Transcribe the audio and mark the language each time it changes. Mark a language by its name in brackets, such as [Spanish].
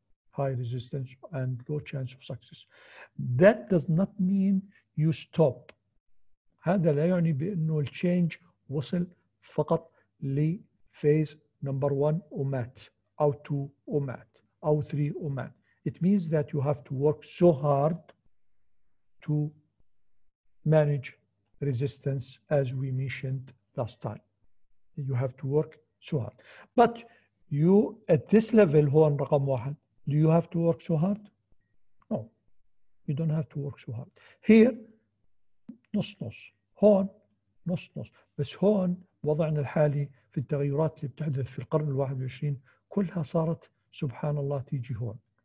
[English] High resistance and low chance of success. That does not mean you stop. [Arabic] هذا لا يعني بأنه change وصل فقط ل [English] phase number one [Arabic] ومات أو two ومات أو three ومات. [English] It means that you have to work so hard to manage resistance as we mentioned last time. You have to work so hard. But you at this level [Arabic] هو رقم واحد. [English] Do you have to work so hard? No, you don't have to work so hard. Here [Arabic] نص نص، هون نص نص. بس هون وضعنا الحالي في التغيرات اللي بتحدث في القرن 21 كلها صارت سبحان الله تيجي هون.